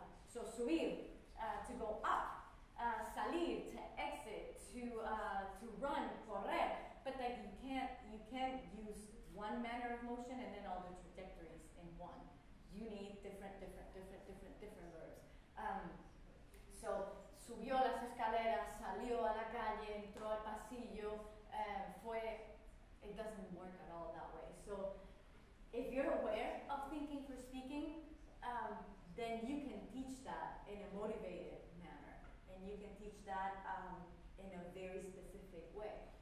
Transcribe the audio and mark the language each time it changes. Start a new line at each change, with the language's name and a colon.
English: So subir, to go up. Salir, to exit, to run, correr, but that you can't use one manner of motion and then all the trajectories in one. You need different verbs.
Spanish: So, subió las escaleras, salió a la calle, entró al pasillo, fue,
English: it doesn't work at all that way. So, if you're aware of thinking for speaking, then you can teach that in a motivated manner. And you can teach that in a very specific way.